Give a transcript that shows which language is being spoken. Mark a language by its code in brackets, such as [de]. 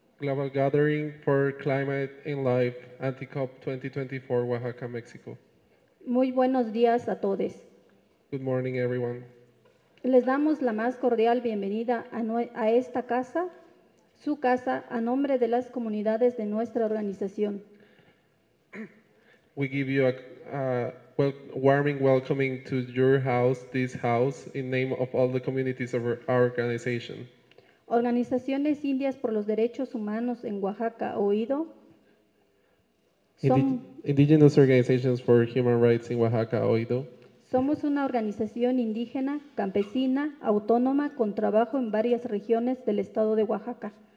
[en] Global Gathering for Climate and Life, Anticop 2024, Oaxaca, Mexico. [es] Muy buenos días a todos. [en] Good morning, everyone. [es] Les damos la más cordial bienvenida a esta casa, su casa, a nombre de las comunidades de nuestra organización. [en] We give you warming welcoming to your house, this house, in name of all the communities of our organization. [es] Organizaciones indias por los derechos humanos en Oaxaca, OIDO. [en] Indigenous organizations for human rights in Oaxaca, OIDO. [es] Somos una organización indígena, campesina, autónoma, con trabajo en varias regiones del estado de Oaxaca.